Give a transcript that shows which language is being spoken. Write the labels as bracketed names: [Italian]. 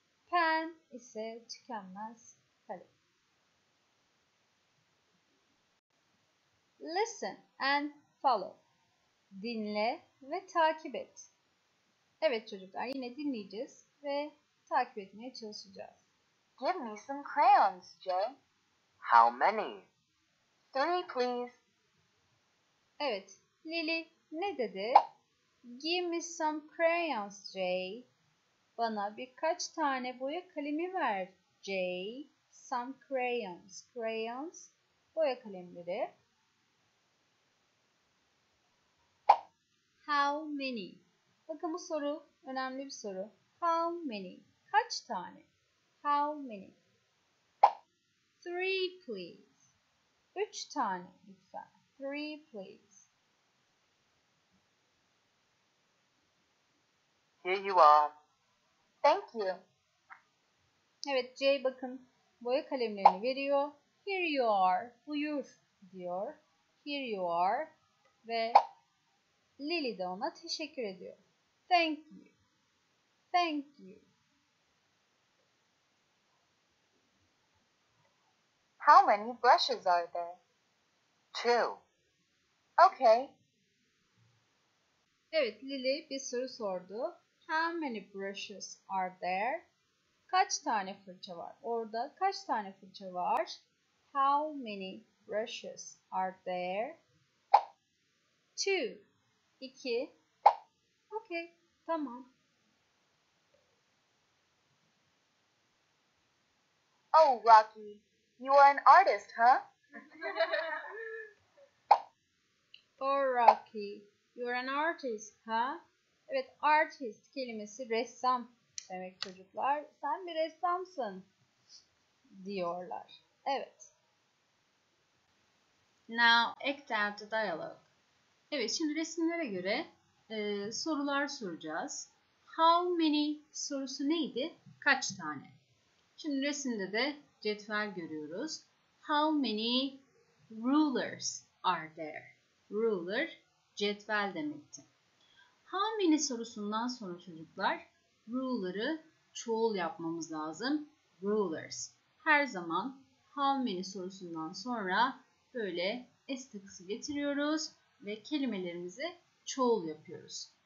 [Turkish] Pen ise tükenmez kalem. [English] Listen and follow. [Turkish] Dinle ve takip et. Evet çocuklar yine dinleyeceğiz ve takip etmeye çalışacağız. [English] Give me some crayons, Jay. How many? 3, please. [Turkish] Evet, Lily ne dedi? [English] Give me some crayons, Jay. [Turkish] Bana birkaç tane boya kalemi ver, Jay. [English] Some crayons. Crayons, [Turkish] boya kalemleri. [English] How many? [Turkish] Bakın bu soru önemli bir soru. [English] How many? [Turkish] Kaç tane? [English] How many? 3 please. [Turkish] 3 tane lütfen. [English] 3 please. Here you are. Thank you. [Turkish] Evet Jay bakın boya kalemlerini veriyor. [English] Here you are. [Turkish] Buyur diyor. [English] Here you are. [Turkish] Ve Lily de ona teşekkür ediyor. [English] Thank you. Thank you. How many brushes are there? 2. Okay. [Turkish] Evet, Lily bir soru sordu. [English] How many brushes are there? [Turkish] Kaç tane fırça var? Orada kaç tane fırça var? [English] How many brushes are there? 2. 2. Okay, [Turkish] tamam. [English] Oh, Rocky. You are an artist, huh? Oh, Rocky, you are an artist, huh? [Turkish] Evet, artist kelimesi ressam demek çocuklar. Sen bir ressamsın diyorlar. Evet. [English] Now act out the dialogue. [Turkish] Evet, şimdi resimlere göre sorular soracağız. How many sorusu neydi? Kaç tane? Şimdi resimde de cetvel görüyoruz. [English] How many rulers are there? [Turkish] Ruler, cetvel demekti. How many sorusundan sonra çocuklar ruler'ı çoğul yapmamız lazım. Rulers. Her zaman how many sorusundan sonra böyle s takısı getiriyoruz ve kelimelerimizi çoğul yapıyoruz.